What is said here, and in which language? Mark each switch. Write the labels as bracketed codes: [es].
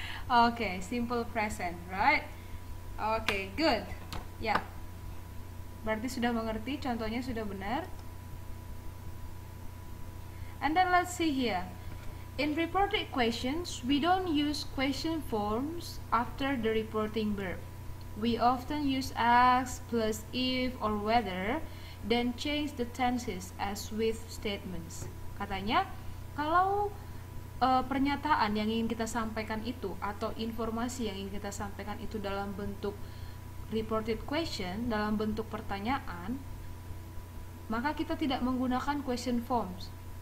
[en] Okay, simple present, right? Okay, good. Ya. Yeah. [id] Berarti sudah mengerti, contohnya sudah benar. [en] And then let's see here. In reported questions, we don't use question forms after the reporting verb. We often use ask plus if or whether, then change the tenses as with statements. [id] Katanya, kalau pernyataan yang ingin kita sampaikan itu atau informasi yang ingin kita sampaikan itu dalam bentuk reported question, dalam bentuk pertanyaan, maka kita tidak menggunakan question forms.